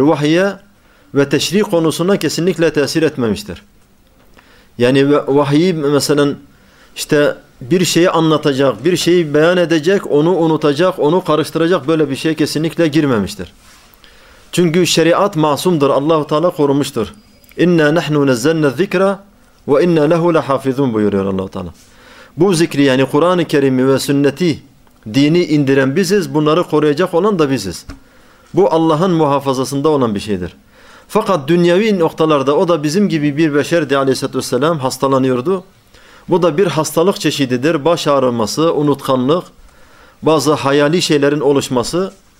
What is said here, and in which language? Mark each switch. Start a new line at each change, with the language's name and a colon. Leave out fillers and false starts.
Turkish: Vahiyye ve teşri konusuna kesinlikle tesir etmemiştir. Yani vahiy mesela İşte bir şeyi anlatacak, bir şeyi beyan edecek, onu unutacak, onu karıştıracak böyle bir şeye kesinlikle girmemiştir. Çünkü şeriat masumdur, Allah-u Teala korumuştur.
Arabic: اِنَّا نَحْنُ نَزَّلْنَا الذِّكْرَ وَاِنَّا لَهُ لَحَافِذُونَ
Turkish: buyuruyor Allah-u Teala. Bu zikri yani Kur'an-ı Kerim'i ve sünneti, dini indiren biziz, bunları koruyacak olan da biziz. Bu Allah'ın muhafazasında olan bir şeydir. Fakat dünyevi noktalarda o da bizim gibi bir beşerdi aleyhissalatü vesselam hastalanıyordu. Bu da bir hastalık çeşididir. Baş ağrıması, unutkanlık, bazı hayali şeylerin oluşması.